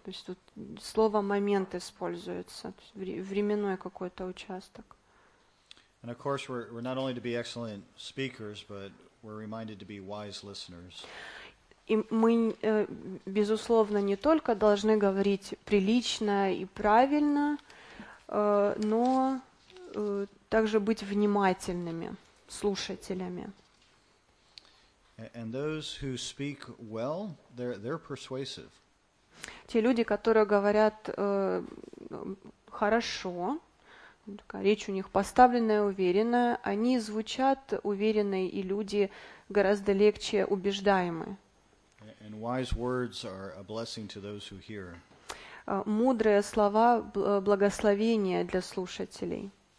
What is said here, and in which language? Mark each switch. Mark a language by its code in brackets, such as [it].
[ru] То есть тут слово «момент» используется, временной какой-то участок. [en] And of course, we're not only to be excellent speakers, but we're reminded to be wise listeners. [ru] И мы, безусловно, не только должны говорить прилично и правильно, но также быть внимательными слушателями. [en] And those who speak well, they're persuasive. [ru] Те люди, которые говорят хорошо, такая речь у них поставленная, уверенная, они звучат уверенные, и люди гораздо легче убеждаемы. [en] And wise words are a blessing to those who hear. [ru] Мудрые слова – благословение для слушателей.